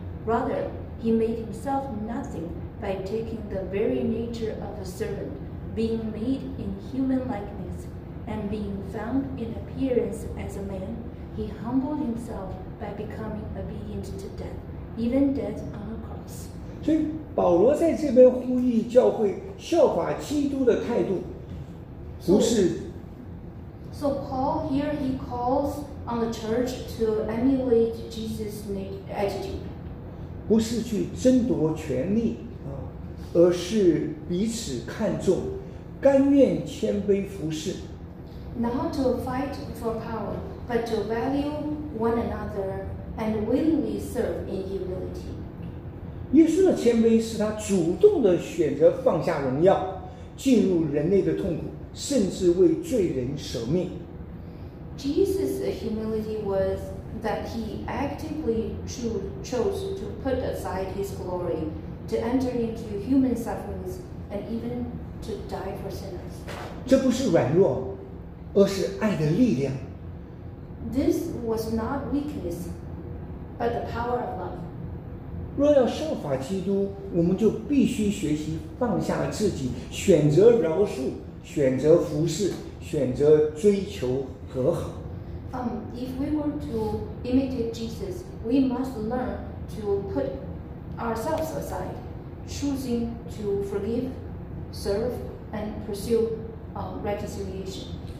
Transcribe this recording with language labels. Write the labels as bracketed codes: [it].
[en] Rather, he made himself nothing by taking the very nature of a servant, being made in human likeness, and being found in appearance as a man, he humbled himself by becoming obedient to death, even death on a cross. [zh] 所以保罗在这边呼吁教会效法基督的态度，不是 [en] So Paul here, he calls on the church to emulate Jesus' attitude. [zh] 不是去争夺权力，而是彼此看重，甘愿谦卑服侍。 [en] Not to fight for power, but to value one another and willingly serve in humility. [zh] 耶稣的谦卑是他主动的选择放下荣耀，进入人类的痛苦。甚至为罪人舍命。 [en] Jesus' humility was that he actively chose to put aside his glory, to enter into human sufferings, and even to die for sinners. [zh] 这不是软弱，而是爱的力量。 [en] This was not weakness, but the power of love. [zh] 若要效法基督，我们就必须学习放下自己，选择饶恕。选择服侍，选择追求和好。 [en] If we were to imitate Jesus, we must learn to put ourselves aside, choosing to forgive, serve, and pursue reconciliation.